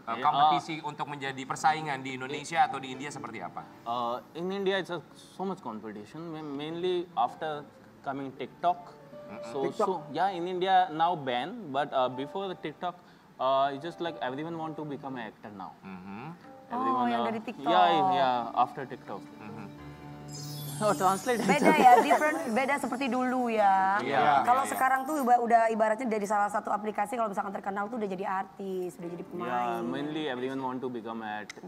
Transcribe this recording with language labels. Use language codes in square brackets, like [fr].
[id] Kompetisi untuk menjadi persaingan di Indonesia atau di India seperti apa? [en] In India it's so much competition mainly after coming TikTok. So yeah, in India now ban, but before the TikTok, it's just like everyone want to become an actor now. Mm-hmm. [id] Everyone, oh, yang dari TikTok. [en] Yeah, after TikTok. Mm-hmm. Oh, translate. [id] Beda ya, different, beda seperti dulu ya. [en] Yeah. [id] Sekarang tuh udah ibaratnya dari salah satu aplikasi, kalau misalkan terkenal tuh udah jadi artis, udah jadi pemain. [en] Yeah, mainly everyone want to become an actor.